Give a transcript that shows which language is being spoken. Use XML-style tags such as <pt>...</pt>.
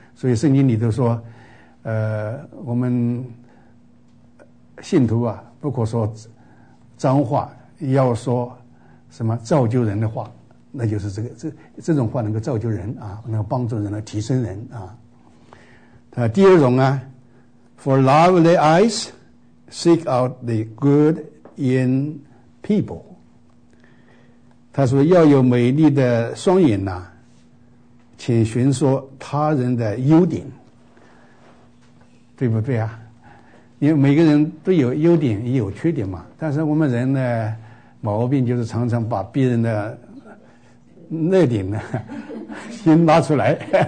<zh>所以圣经里头说，我们信徒啊，不可说脏话，要说什么造就人的话，那就是这种话能够造就人啊，能够帮助人，能提升人啊。第二种啊</zh> <en>，For lovely eyes seek out the good in people。</en> <zh>他说要有美丽的双眼呐、啊，请寻说他人的优点，对不对啊？因为每个人都有优点也有缺点嘛。但是我们人的毛病就是常常把别人的那点呢先拉出来。</zh>